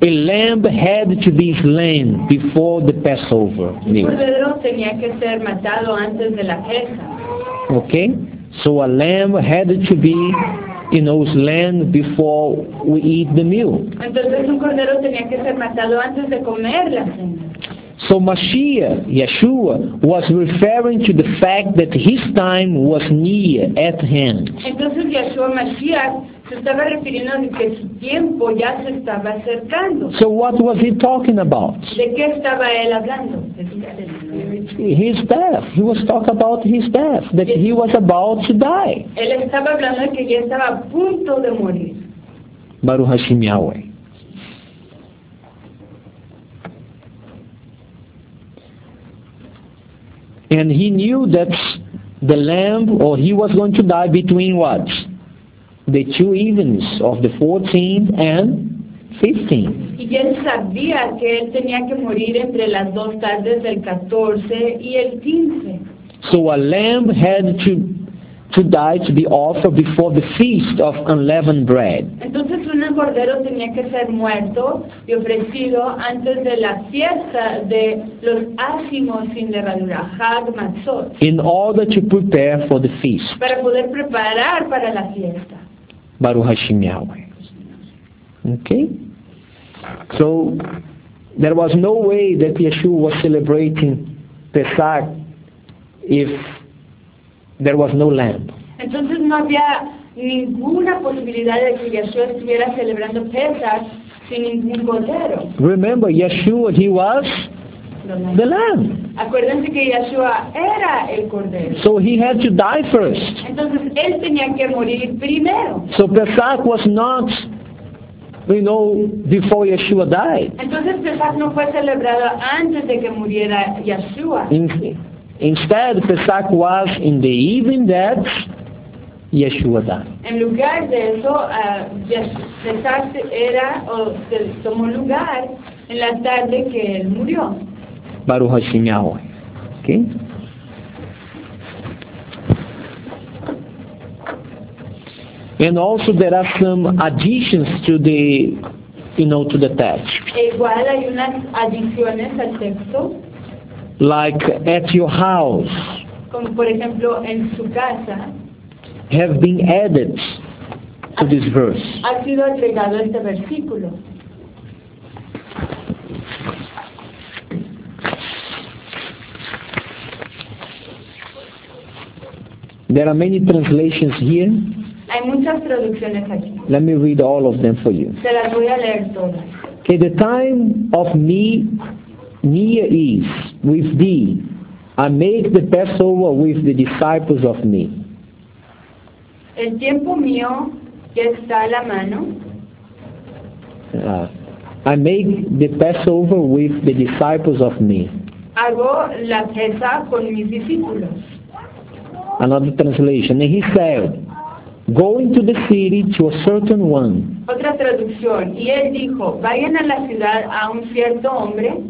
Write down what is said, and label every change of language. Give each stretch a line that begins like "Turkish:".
English: A lamb had to be slain before the Passover.
Spanish: El cordero tenía que ser matado antes de la Pesach.
English: Okay, so a lamb had to be, you know, slain before we eat the meal.
Spanish: Entonces un cordero tenía que ser matado antes de comer la cena.
English: So Mashiach, Yeshua, was referring to the fact that his time was near at hand.
Spanish: Entonces Yeshua, Mashiach, se estaba refiriendo a que su tiempo ya se estaba acercando.
English: So what was he talking about?
Spanish: ¿De qué estaba él hablando?
English: His death. He was talking about his death, that he was about to die.
Spanish: Él estaba hablando de que ya estaba a punto de morir.
Hebrew: Baruch Hashem Yahweh.
English: And he knew that the lamb, or he was going to die between what? The two evenings of the 14th and 15th.
Spanish: Y él sabía que él tenía que morir entre las dos tardes del 14 y el 15.
English: So a lamb had to die to be offered before the feast of unleavened bread.
Spanish: Entonces un cordero tenía que ser muerto y ofrecido antes de la fiesta de los ácimos sin levadura, Hag Matzot.
English: In order to prepare for the feast.
Spanish: Para poder preparar para la fiesta.
Hebrew: Baruch Hashem Yahweh. Okay?
English: So, there was no way that Yeshua was celebrating Pesach if there was no lamb.
Spanish: Entonces no había ninguna posibilidad de que Yeshua estuviera celebrando Pesach sin ningún cordero.
English: Remember, Yeshua, he was the lamb.
Spanish: Acuérdense que Yeshua era el cordero.
English: So he had to die first.
Spanish: Entonces él tenía que morir primero.
English: So Pesach was not, you know, before Yeshua died.
Spanish: Entonces Pesach no fue celebrado antes de que muriera Yeshua.
English: Instead, Pesach was in the evening that Yeshua died.
Spanish: En lugar de eso, Pesach era o se tomó lugar en la tarde que él murió.
Hebrew: Baruch Hashem Yahweh. Okay.
English: And also there are some additions to the, you know, to the text.
Spanish: Igual hay unas adiciones al texto.
English: Like at your house.
Spanish: Como por ejemplo en su casa.
English: Have been added to this verse.
Spanish: Ha sido agregado este versículo.
English: There are many translations here.
Spanish: Hay muchas traducciones aquí.
English: Let me read all of them for you.
Spanish: Se las voy a leer todas.
English: Okay, the time of me near is with thee. I make the Passover with the disciples of me.
Spanish: El tiempo mío que está a la mano.
English: I make the Passover with the disciples of me.
Spanish: Hago la cena con mis discípulos.
English: Another translation. And he said, go into the city to a certain one.
Spanish: Otra traducción. Y él dijo, vayan a la ciudad a un cierto hombre.